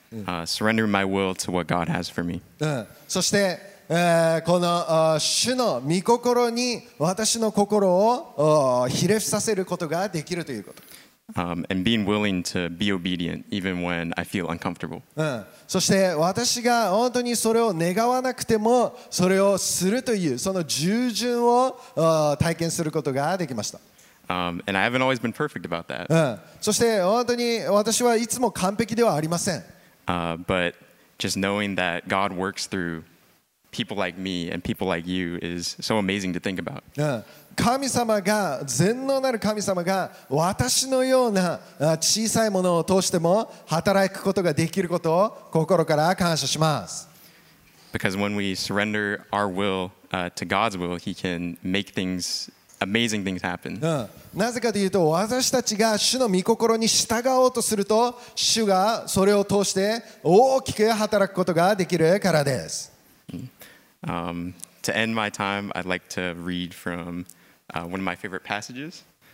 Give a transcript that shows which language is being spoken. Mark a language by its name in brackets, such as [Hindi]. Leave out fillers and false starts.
[English] Surrendering my will to what God has for me. [Japanese] そして、この、主の御心に私の心を、ひれ伏させることができるということ。 [English] And being willing to be obedient even when I feel uncomfortable. [Japanese] そして私が本当にそれを願わなくてもそれをするというその従順を体験することができました。 [English] And I haven't always been perfect about that. [Japanese] そして本当に私はいつも完璧ではありません。 [English] But just knowing that God works through people like me and people like you is so amazing to think about. [Japanese] 神様が全能なる神様が私のような小さいものを通しても働くことができることを心から感謝します。 [English] Because when we surrender our will to God's will, He can make things, amazing things happen. [Japanese] なぜかというと私たちが主の御心に従おうとすると主がそれを通して大きく働くことができるからです。 [English] To end my time, I'd like to read from one of my favorite passages.